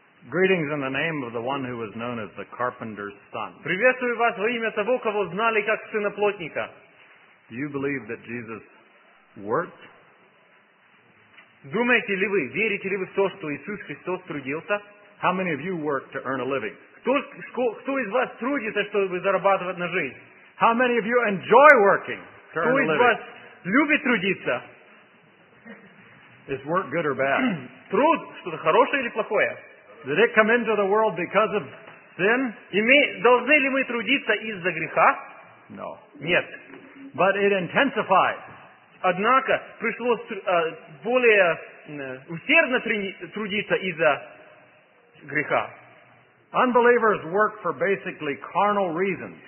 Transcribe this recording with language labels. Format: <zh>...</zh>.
<en>Greetings in the name of the one who was known as the carpenter's son.</en> <ru>Приветствую вас во имя того, кого знали как сына плотника.</ru> <en>Do you believe that Jesus worked?</en> <ru>Думаете ли вы, верите ли вы в то, что Иисус Христос трудился?</ru> <en>How many of you work to earn a living?</en> <ru>Кто из вас трудится, чтобы зарабатывать на жизнь?</ru> <en>How many of you enjoy working to earn a living?</en> <ru>Кто из вас любит трудиться?</ru> <en>Is work good or bad?</en> <ru>Труд что-то хорошее или плохое?</ru> <en>Did it come into the world because of sin?</en> <ru>Должны ли мы трудиться из-за греха?</ru> <en>No.</en> <ru>Нет.</ru> <en>But it intensified.</en> <ru>Однако пришлось более усердно трудиться из-за греха.</ru> <en>Unbelievers work for basically carnal reasons.</en>